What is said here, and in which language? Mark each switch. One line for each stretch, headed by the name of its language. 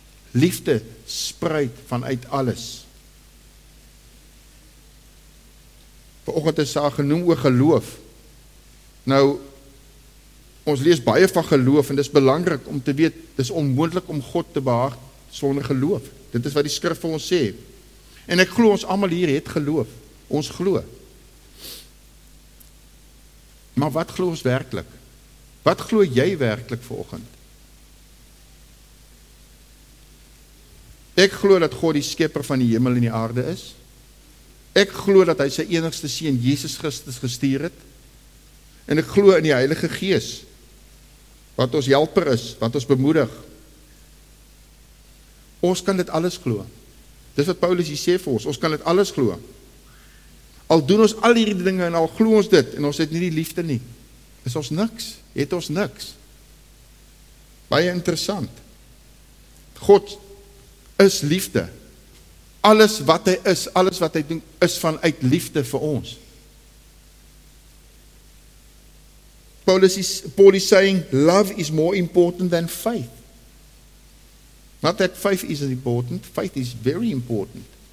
Afrikaans: Liefde spruit vanuit alles. Vanoggend is daar genoem oor geloof. Nou, ons lees baie van geloof, en dis belangrik om te weet, dis onmoontlik om God te behaag sonder geloof. Dit is wat die skrif vir ons sê. En ek glo ons allemaal hier het geloof. Ons glo. Maar wat glo ons werklik? Wat glo jy werklik vanoggend? Ek glo dat God die skepper van die hemel en die aarde is. Ek glo dat hy sy enigste seun Jesus Christus gestuur het. En ek glo in die Heilige Gees, wat ons helper is, wat ons bemoedig. Ons kan dit alles glo. Dis wat Paulus hier sê vir ons, ons kan dit alles glo. Al doen ons al hierdie dinge en al glo ons dit, en ons het nie die liefde nie, is ons niks, het ons niks. Baie interessant. God is liefde. Alles wat hy is, alles wat hy doen, is vanuit liefde vir ons.
English: Paulus is saying, love is more important than faith. Not that faith is important, faith is very important.